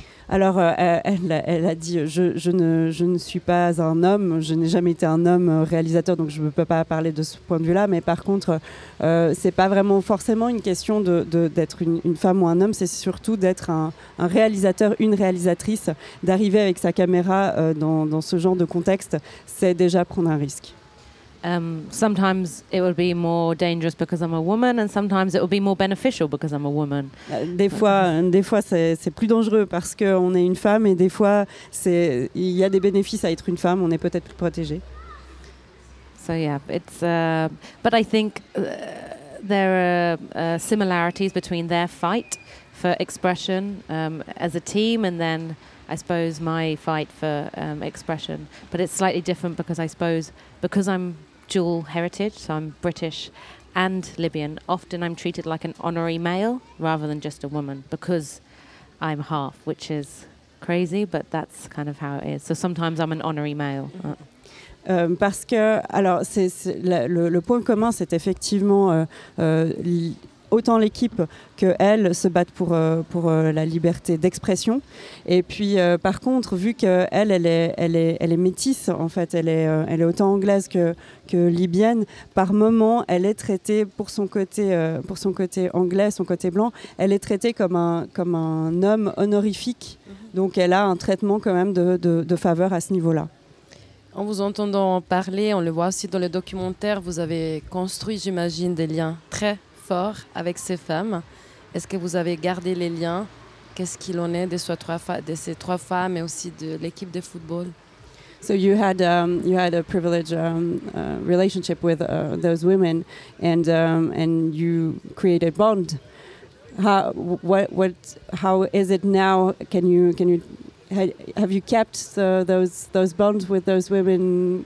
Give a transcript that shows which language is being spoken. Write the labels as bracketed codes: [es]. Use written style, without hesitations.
[fr] Alors, elle a dit, je ne suis pas un homme, je n'ai jamais été un homme réalisateur, donc je ne peux pas parler de ce point de vue-là. Mais par contre, ce n'est pas vraiment forcément une question d'être une femme ou un homme, c'est surtout d'être un réalisateur, une réalisatrice, d'arriver avec sa caméra dans ce genre de contexte, c'est déjà prendre un risque. [en] Sometimes it will be more dangerous because I'm a woman, and sometimes it will be more beneficial because I'm a woman. [fr] Des fois, c'est plus dangereux parce qu'on est une femme, et des fois, il y a des bénéfices à être une femme. On est peut-être plus protégé. [en] So yeah, it's. But I think there are similarities between their fight for expression as a team, and then I suppose my fight for expression. But it's slightly different because I suppose because I'm dual heritage, so I'm British and Libyan. Often I'm treated like an honorary male rather than just a woman because I'm half, which is crazy, but that's kind of how it is. So sometimes I'm an honorary male. [fr] Parce que, alors, le point commun, c'est effectivement autant l'équipe que elle se battent pour la liberté d'expression. Et puis par contre, vu que elle est métisse, en fait, elle est autant anglaise que libyenne, par moment elle est traitée pour son côté anglais, son côté blanc, elle est traitée comme un homme honorifique. Mm-hmm. Donc elle a un traitement quand même de faveur à ce niveau-là. En vous entendant parler, on le voit aussi dans le documentaire, vous avez construit, j'imagine, des liens très fort avec ces femmes. Est-ce que vous avez gardé les liens? Qu'est-ce qu'il en est de ces trois femmes et aussi de l'équipe de football? [en] So you had a privileged relationship with those women, and you created bond. How is it now? Can you have you kept those bonds with those women?